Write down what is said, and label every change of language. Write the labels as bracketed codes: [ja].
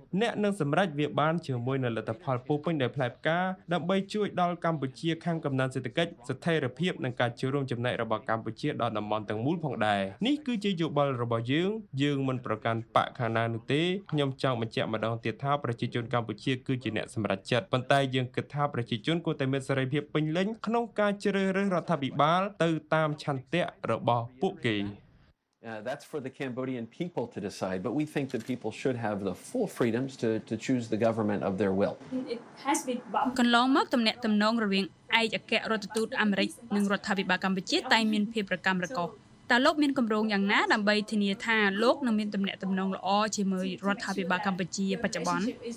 [km] អ្នកនឹងសម្រេចវាបានជាមួយនៅលទ្ធផលពុះពេញដោយផ្លែផ្កាដើម្បីជួយដល់កម្ពុជាខាងកំណើនសេដ្ឋកិច្ចស្ថិរភាពនិងការចូលរួមចំណែករបស់កម្ពុជាដល់តំបន់ទាំងមូលផងដែរនេះគឺជាយោបល់របស់យើងយើងមិនប្រកាន់បកខាងណានោះទេខ្ញុំចង់បញ្ជាក់ម្ដងទៀតថាប្រជាជនកម្ពុជាគឺជាអ្នកសម្រេចចិត្តប៉ុន្តែយើងគិតថាប្រជាជនគួរតែមានសេរីភាពពេញលេញក្នុងការជ្រើសរើសរដ្ឋាភិបាលទៅតាមឆន្ទៈរបស់ពួកគេ [en] That's for the Cambodian people to decide, but we think that people should have the full freedoms to choose the government of their will. [km] កន្លងមកទំនាក់ទំនងរវាងឯកអគ្គរដ្ឋទូតអាមេរិកនិងរដ្ឋាភិបាលកម្ពុជាតែមានភាពប្រកាំរកោតើលោកមានគម្រោងយ៉ាងណាដើម្បីធានាថាលោកនឹងមានទំនាក់ទំនងល្អជាមួយរដ្ឋាភិបាលកម្ពុជាបច្ចុប្បន្ន